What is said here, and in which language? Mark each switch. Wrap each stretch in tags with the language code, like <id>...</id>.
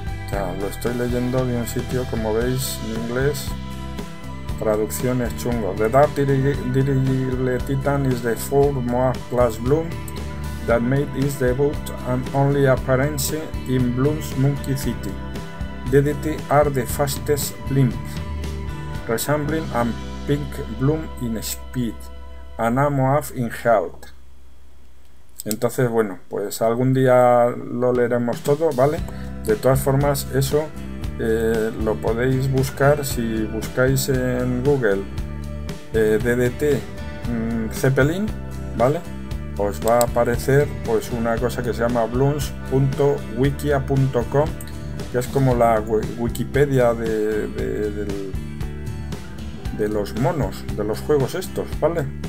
<es>Ya, lo estoy leyendo de un sitio, como veis, en inglés, traducciones chungo.</es> <en>The Dark Dirigible Titan is the full MOAV class bloom that made its debut and only appearance in Blues Monkey City. DDT are the fastest blimp, resembling a pink bloom in speed and a MOAV in health.</en> <es>Entonces, bueno, pues algún día lo leeremos todo, ¿vale? De todas formas, eso lo podéis buscar si buscáis en Google DDT Zeppelin, ¿vale? Os va a aparecer pues una cosa que se llama blooms.wikia.com, que es como la Wikipedia de los monos, de los juegos estos, ¿vale?</es>